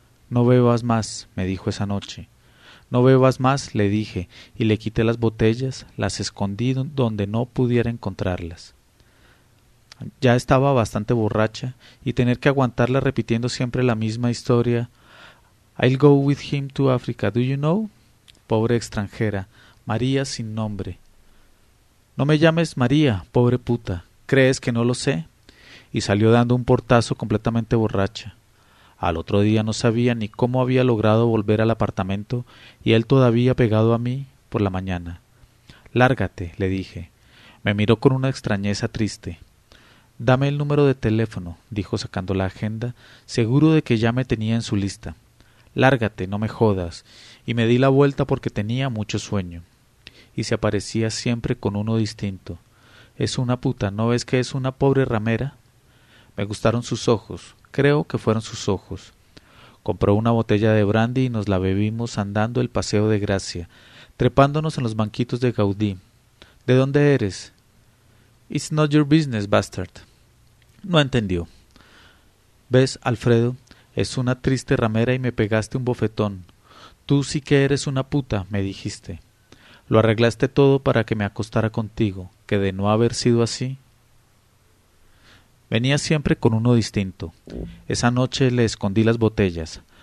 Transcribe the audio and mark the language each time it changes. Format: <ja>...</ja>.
<es>No bebas más, me dijo esa noche. No bebas más, le dije, y le quité las botellas, las escondí donde no pudiera encontrarlas. Ya estaba bastante borracha, y tener que aguantarla repitiendo siempre la misma historia.</es> <en>I'll go with him to Africa, do you know?</en> <es>Pobre extranjera, María sin nombre. No me llames María, pobre puta, ¿crees que no lo sé? Y salió dando un portazo completamente borracha. Al otro día no sabía ni cómo había logrado volver al apartamento y él todavía pegado a mí por la mañana. Lárgate, le dije. Me miró con una extrañeza triste. Dame el número de teléfono, dijo sacando la agenda, seguro de que ya me tenía en su lista. Lárgate, no me jodas. Y me di la vuelta porque tenía mucho sueño. Y se aparecía siempre con uno distinto. Es una puta, ¿no ves que es una pobre ramera? Me gustaron sus ojos, creo que fueron sus ojos. Compró una botella de brandy y nos la bebimos andando el Paseo de Gracia, trepándonos en los banquitos de Gaudí. ¿De dónde eres?</es> <en>It's not your business, bastard.</en> <es>No entendió. ¿Ves, Alfredo? Es una triste ramera y me pegaste un bofetón. Tú sí que eres una puta, me dijiste. Lo arreglaste todo para que me acostara contigo, que de no haber sido así. Venía siempre con uno distinto. Esa noche le escondí las botellas.</es>